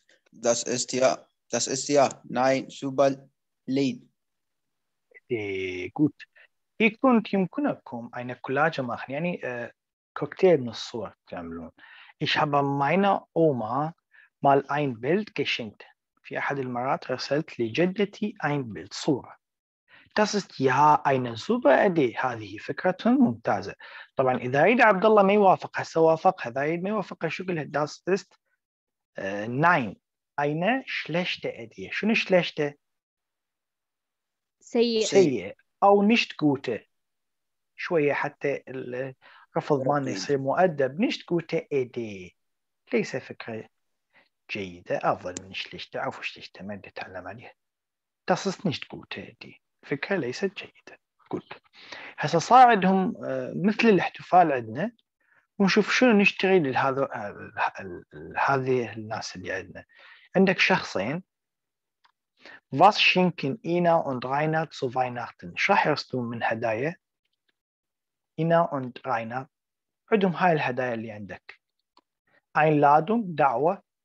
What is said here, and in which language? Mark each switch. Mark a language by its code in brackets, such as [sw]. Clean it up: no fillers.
[de] Das ist ja, nein, super lead. Gut. Ihr könnt im Kunakum eine Kollage machen, yani Cocktail mit Sour تعملون. Ich habe meiner Oma mal ein Bild geschenkt. Für [ar] أحد المرات رسلت لجدتي [de] ein Bild [ar] صورة. [de] Das ist ja eine super Idee. [ar] هذه فكرة ممتازة. طبعا إذا عيد عبد الله ما يوافق هسه وافق هذا عيد ما يوافق شو قلت [de] Das ist nein. Eine schlechte Idee. [ar] شنو [de] schlechte؟ [ar] سيئة. سيئة أو [de] nicht gute. [ar] شوية حتى الرفض ما يصير مؤدب. [de] Nicht gute Idee. [ar] ليس فكرة جيدة أفضل من [de] schlechte. [ar] عفوا [de] schlechte [ar] ما بدي أتعلم عليها. [de] Das ist nicht gute Idee. [ar] فكرة ليست جيدة. [de] Good. [ar] هسا صار عندهم مثل الاحتفال عندنا ونشوف شنو نشتري لهذه الناس اللي عندنا. عندك شخصين. [de] Was schenken Ina und Rainer zu Weihnachten? [ar] شو راح يرسلون من هدايا؟ Ina und Rainer. عندهم هاي الهدايا اللي عندك. Einladung دعوة.